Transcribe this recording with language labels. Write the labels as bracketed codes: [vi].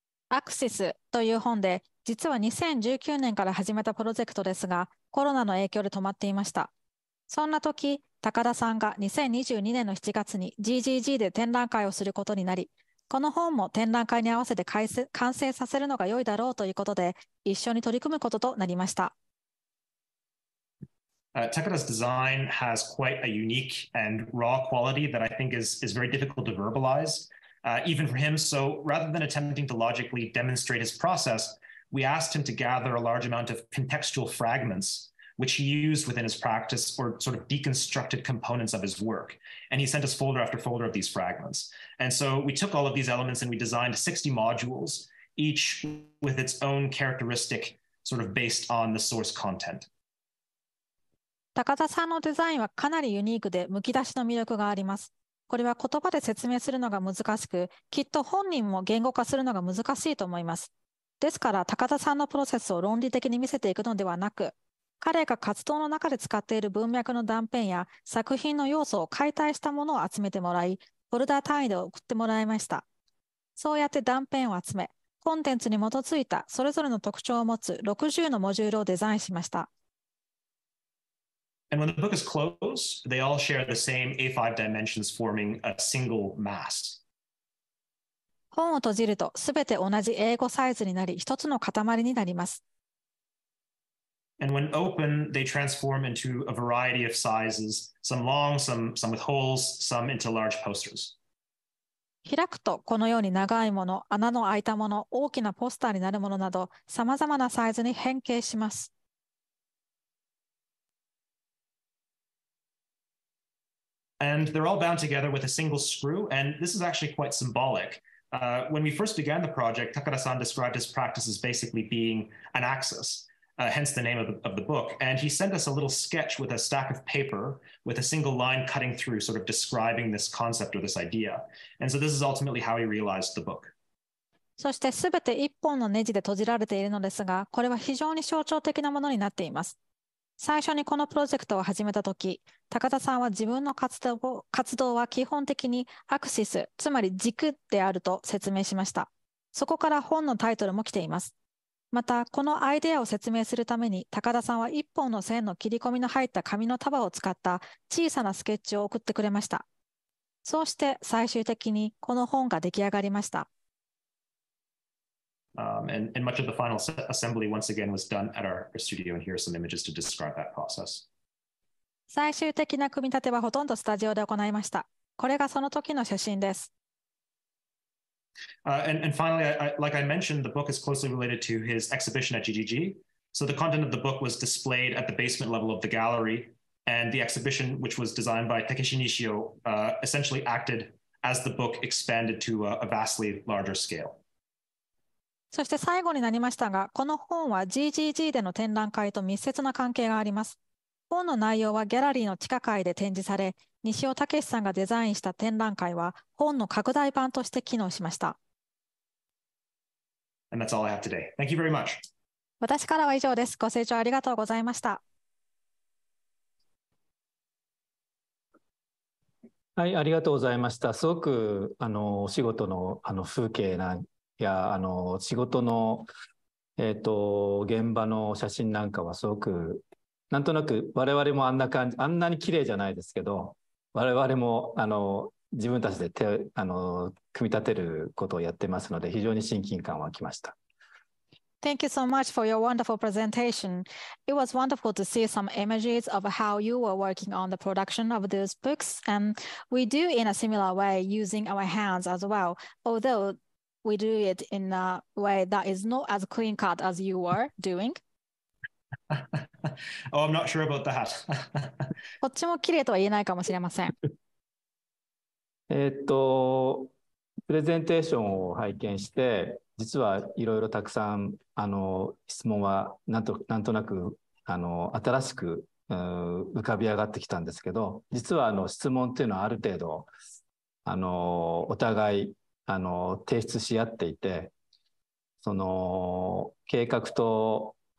[ja] Axis という本で、実は2019年から始めたプロジェクトですが、コロナの影響で止まっていました。そんな時、高田さんが2022年の7月に GGG で展覧会をすることになり、この本も展覧会に合わせて完成させるのが良いだろうということで、一緒に取り組むこととなりました。 [en] Takara's design has quite a unique and raw quality that I think is very difficult to verbalize, even for him. So rather than attempting to logically demonstrate his process, we asked him to gather a large amount of contextual fragments, which he used within his practice or sort of deconstructed components of his work. And he sent us folder after folder of these fragments. And so we took all of these elements and we designed 60 modules, each with its own characteristic sort of based on the source content. [ja] 高田さんのデザインはかなりユニークでむき出しの魅力があります。これは言葉で説明するのが難しく、きっと本人も言語化するのが難しいと思います。ですから高田さんのプロセスを論理的に見せていくのではなく、彼が活動の中で使っている文脈の断片や作品の要素を解体したものを集めてもらい、フォルダ単位で送ってもらいました。そうやって断片を集め、コンテンツに基づいたそれぞれの特徴を持つ60のモジュールをデザインしました。 [en] And when the book is closed, they all share the same A5 dimensions forming a single mass. [ja] 本を閉じると、すべて同じ A5 サイズになり、一つの塊になります。 [en] And when open, they transform into a variety of sizes, some long, some with holes, some into large posters. [ja] 開くと、このように長いもの、穴の開いたもの、大きなポスターになるものなど、さまざまなサイズに変形します。 [en] And they're all bound together with a single screw, and this is actually quite symbolic. When we first began the project, Takara-san described his practice as basically being an axis, hence the name of the book. And he sent us a little sketch with a stack of paper with a single line cutting through, sort of describing this concept or this idea. And so this is ultimately how he realized the book. [ja] そして全て一本のネジで閉じられているのですが、これは非常に象徴的なものになっています。最初にこのプロジェクトを始めたとき、高田さんは自分の活動は基本的にアクシス、つまり軸であると説明しました。そこから本のタイトルも来ています。また、このアイデアを説明するために、高田さんは一本の線の切り込みの入った紙の束を使った小さなスケッチを送ってくれました。そうして最終的にこの本が出来上がりました。 [en] And much of the final assembly once again was done at our studio, and here are some images to describe that process. [ja] 最終的な組み立てはほとんどスタジオで行いました。これがその時の写真です。 [en] And finally, like I mentioned, the book is closely related to his exhibition at GGG. So the content of the book was displayed at the basement level of the gallery, And the exhibition, which was designed by Takeshi Nishio, essentially acted as the book expanded to a vastly larger scale. [ja] そして最後になりましたが、この本は GGG での展覧会と密接な関係があります。本の内容はギャラリーの地下階で展示され、西尾武さんがデザインした展覧会は本の拡大版として機能しました。 [en] And that's all I have today. Thank you very much. [ja] 私からは以上です。ご清聴ありがとうございました。はい、ありがとうございました。すごくお仕事の風景なんや仕事の現場の写真なんかはすごくなんとなく我々もあんな感じあんなに綺麗じゃないですけど我々も自分たちで手組み立てることをやってますので非常に親近感湧きました。 [en] Thank you so much for your wonderful presentation. It was wonderful to see some images of how you were working on the production of those books, and we do in a similar way using our hands as well, although we do it in a way that is not as clean cut as you were doing. Oh, I'm not sure about that. [ja] こっちも綺麗とは言えないかもしれません。プレゼンテーションを拝見して、実はいろいろたくさん質問はなんとなく新しく浮かび上がってきたんですけど、実は質問っていうのはある程度お互い提出し合っていて、その計画と